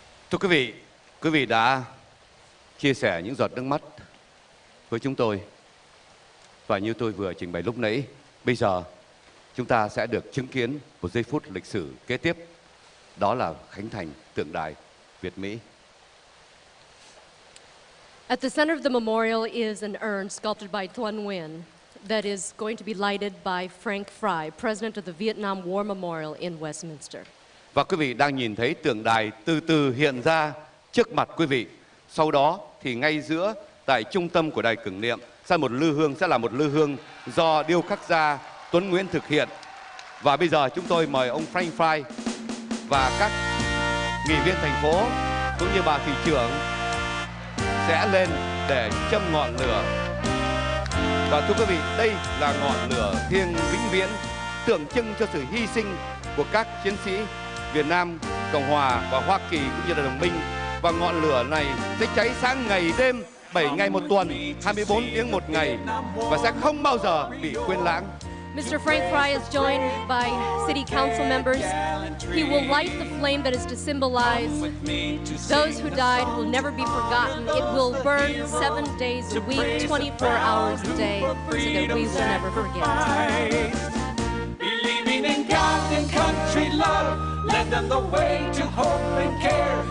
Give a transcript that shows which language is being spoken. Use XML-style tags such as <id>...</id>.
<vi>Thưa quý vị, quý vị đã chia sẻ những giọt nước mắt với chúng tôi. Và như tôi vừa trình bày lúc nãy, bây giờ chúng ta sẽ được chứng kiến một giây phút lịch sử kế tiếp. Đó là khánh thành tượng đài Việt-Mỹ.</vi> <en>At the center of the memorial is an urn sculpted by Thuan Nguyen that is going to be lighted by Frank Fry, president of the Vietnam War Memorial in Westminster.</en> <vi>Và quý vị đang nhìn thấy tượng đài từ từ hiện ra trước mặt quý vị. Sau đó thì ngay giữa tại trung tâm của đài tưởng niệm sẽ là một lư hương do điêu khắc gia Tuấn Nguyễn thực hiện. Và bây giờ chúng tôi mời ông Frank Fry và các nghị viên thành phố cũng như bà thị trưởng sẽ lên để châm ngọn lửa. Và thưa quý vị, đây là ngọn lửa thiêng vĩnh viễn, tượng trưng cho sự hy sinh của các chiến sĩ Việt Nam, Cộng hòa và Hoa Kỳ cũng như là đồng minh. Và ngọn lửa này sẽ cháy sáng ngày đêm, 7 ngày một tuần, 24 tiếng một ngày, và sẽ không bao giờ bị quên lãng.</vi> <en>Mr. Frank Fry is joined by city council members. He will light the flame that is to symbolize those who died will never be forgotten. It will burn 7 days a week, 24 hours a day, so that we will never forget. Believing in God and country love led them the way to hope and care.</en>